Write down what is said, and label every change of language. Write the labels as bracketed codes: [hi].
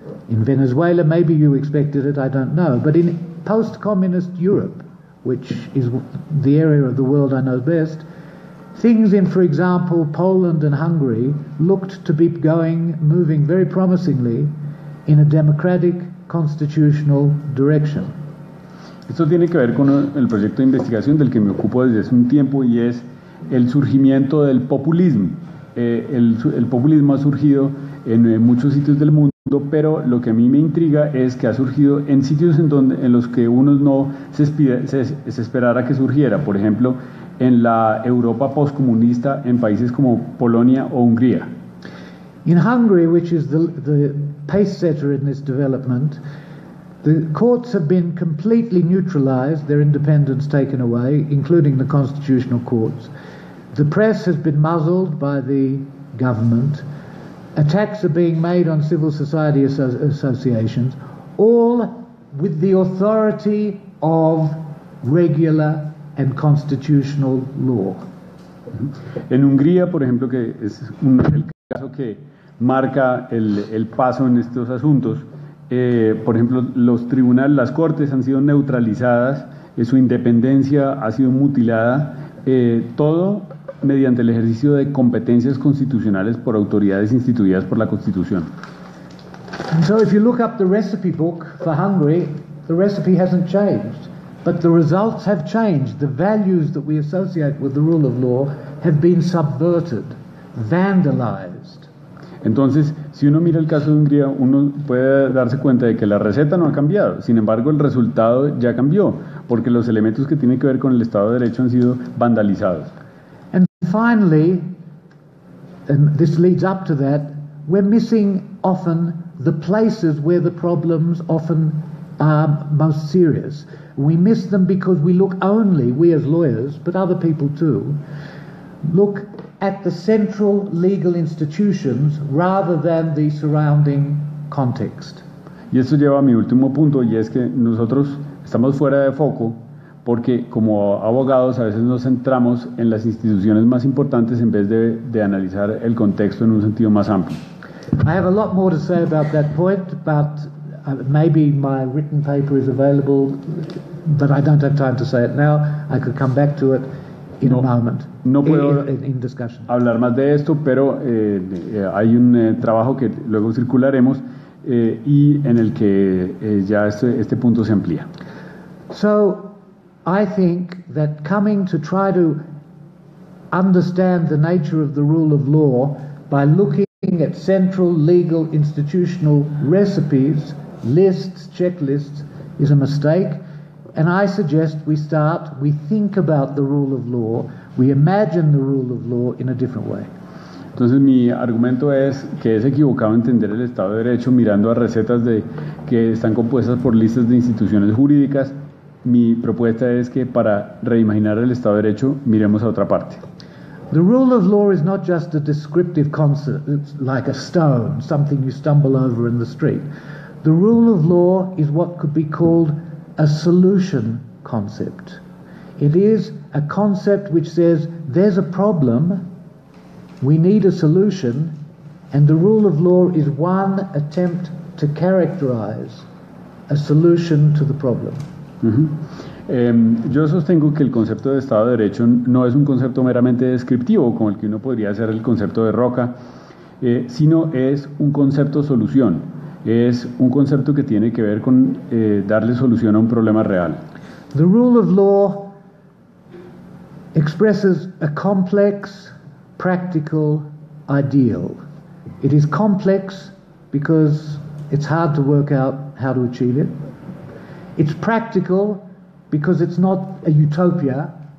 [en] In Venezuela, maybe you expected it, I don't know. But in post-communist Europe, which is the area of the world I know best, things in, for example, Poland and Hungary looked to be moving very promisingly in a democratic constitutional direction. [es] Esto tiene que ver con el proyecto de investigación del que me ocupo desde hace un tiempo y es el surgimiento del populismo. El populismo ha surgido en muchos sitios del mundo, pero lo que a mí me intriga es que ha surgido en sitios en los que uno no se esperara que surgiera, por ejemplo, en la Europa postcomunista, en países como Polonia o Hungría. [en] In Hungary, which is the pace setter in this development, the courts have been completely neutralized, their independence taken away, including the constitutional courts. The press has been muzzled by the government. Attacks are being made on civil society associations, all with the authority of regular and constitutional law. [es] En Hungría, por ejemplo, que es el caso que marca el paso en estos asuntos, por ejemplo, los tribunales, las cortes han sido neutralizadas, su independencia ha sido mutilada, todo mediante el ejercicio de competencias constitucionales por autoridades instituidas por la Constitución. [en] And so if you look up the recipe book for Hungary, the recipe hasn't changed, but the results have changed. The values that we associate with the rule of law have been subverted, vandalized. [es] Entonces, si uno mira el caso de Hungría, uno puede darse cuenta de que la receta no ha cambiado. Sin embargo, el resultado ya cambió, porque los elementos que tienen que ver con el Estado de Derecho han sido vandalizados. [en] Finally, and this leads up to that, we're missing often the places where the problems often are most serious. We miss them because we look only, we as lawyers, but other people too, look at the central legal institutions rather than the surrounding context. [es] Y eso lleva a mi último punto, y es que nosotros estamos fuera de foco porque como abogados a veces nos centramos en las instituciones más importantes en vez de analizar el contexto en un sentido más amplio. [en] I have a lot more to say about that point, but maybe my written paper is available, but I don't have time to say it now. I could come back to it in a moment. [es] No puedo [en] in discussion. [es] Hablar más de esto, pero hay un trabajo que luego circularemos y en el que ya este punto se amplía. [en] So I think that coming to try to understand the nature of the rule of law by looking at central legal institutional recipes, lists, checklists, is a mistake. And I suggest we think about the rule of law, we imagine the rule of law in a different way. [es] Entonces mi argumento es que es equivocado entender el Estado de Derecho mirando a recetas que están compuestas por listas de instituciones jurídicas. Mi propuesta es que para reimaginar el Estado de Derecho miremos a otra parte. [en] The rule of law is not just a descriptive concept, like a stone, something you stumble over in the street. The rule of law is what could be called a solution concept. It is a concept which says there's a problem, We need a solution, and the rule of law is one attempt to characterize a solution to the problem. [es] Yo sostengo que el concepto de Estado de Derecho no es un concepto meramente descriptivo, como el que uno podría hacer el concepto de roca, sino es un concepto solución. Es un concepto que tiene que ver con darle solución a un problema real. [en] The rule of law expresses a complex, practical ideal. It is complex because it's hard to work out how to achieve it. It's practical because it's not a utopia.